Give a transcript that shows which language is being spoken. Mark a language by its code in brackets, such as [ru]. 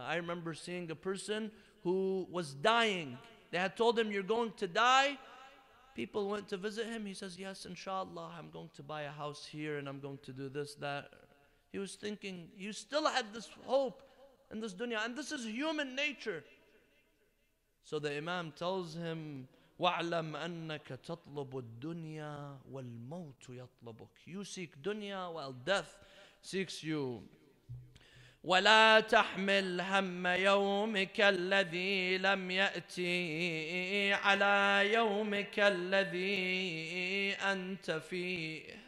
[en] I remember seeing a person who was dying. They had told him, you're going to die. People went to visit him. He says, yes, inshallah, I'm going to buy a house here and I'm going to do this, that. He was thinking, you still had this hope in this dunya. And this is human nature. So the Imam tells him, [ar] وَعْلَمْ أَنَّكَ تَطْلُبُ الدُّنْيَا وَالْمَوْتُ يَطْلُبُكَ. [en] You seek dunya while death seeks you. [ar] وَلَا تَحْمِلْ هَمَّ يَوْمِكَ الَّذِي لَمْ يَأْتِي عَلَى يَوْمِكَ الَّذِي أَنْتَ فِيهِ.